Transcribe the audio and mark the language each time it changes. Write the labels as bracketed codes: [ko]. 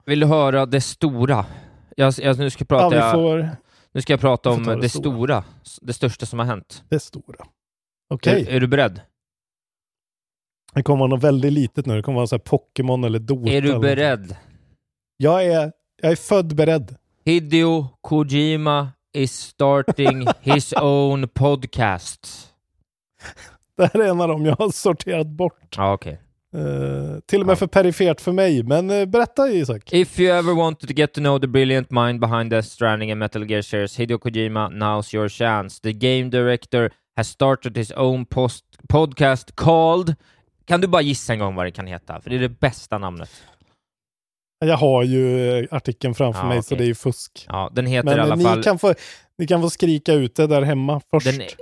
[sv] Vill du höra det stora? Jag, nu ska jag prata... Ja, vi får... Nu ska jag prata om det stora. Det största som har hänt. Det stora. Okej. Okay. Är du beredd? Det kommer vara något väldigt litet nu. Det kommer vara så här Pokémon eller Dota. Är du beredd? Jag är född beredd. [en] Hideo Kojima is starting his own podcast. [sv] Det här är en av dem jag har sorterat bort. Ja, okej. Okay. Till och med för perifert för mig, men berätta, Isak. [en] If you ever wanted to get to know the brilliant mind behind Death Stranding and Metal Gear series, Hideo Kojima, now's your chance. The game director has started his own podcast called... [sv] Kan du bara gissa en gång vad det kan heta? För det är det bästa namnet. Jag har ju artikeln framför mig, okay. Så det är ju fusk. Ja, den heter men i alla ni fall... Ni kan få skrika ut det där hemma först.